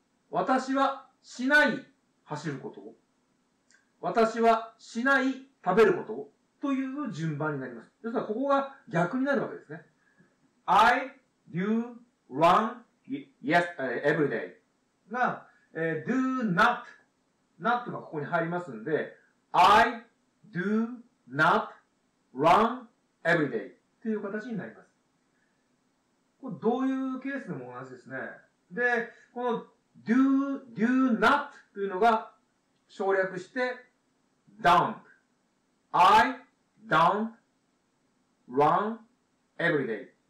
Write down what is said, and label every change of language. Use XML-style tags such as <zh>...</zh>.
<ja>私はしない、走ることを。私はしない、食べることを。という順番になります。要するにここが逆になるわけですね。</ja> <en>I do run yes every day が、do not not</en> <ja>がここに入りますんで</ja> <en>I do not run every day</en> <ja>という形になります。これどういうケースでも同じですね。で、この do not というのが省略して don't</ja> <en>I don't run every day</en>